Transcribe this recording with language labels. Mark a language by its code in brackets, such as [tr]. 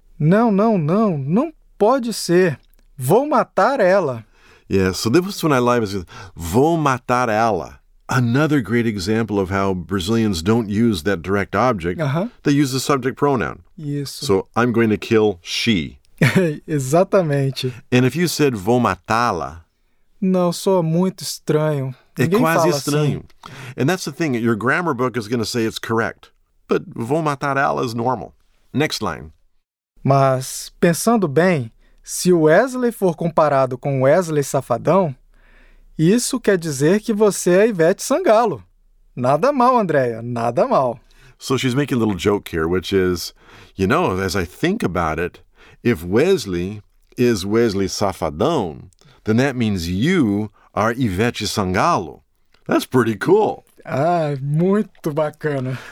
[pt] No, no, no. Não pode ser. Vou matar ela. [en] Yeah, so this was when I live. [pt] Vou matar ela. [en] Another great example of how Brazilians don't use that direct object. Uh-huh. They use the subject pronoun. [pt] Isso. [en] So I'm going to kill she. [pt] Exatamente. [en] And if you said [pt] vou matá-la. Não, soa muito estranho. É quase estranho. [en] And that's the thing. Your grammar book is going to say it's correct. But [pt] vou matar ela [en] is normal. Next line. [pt] Mas, pensando bem, se o Wesley for comparado com Wesley Safadão, isso quer dizer que você é Ivete Sangalo. Nada mal, Andrea. Nada mal. [en] So she's making a little joke here, which is, you know, as I think about it, if Wesley is Wesley Safadão, then that means you... are Ivete Sangalo. That's pretty cool. [pt] Ah, muito bacana.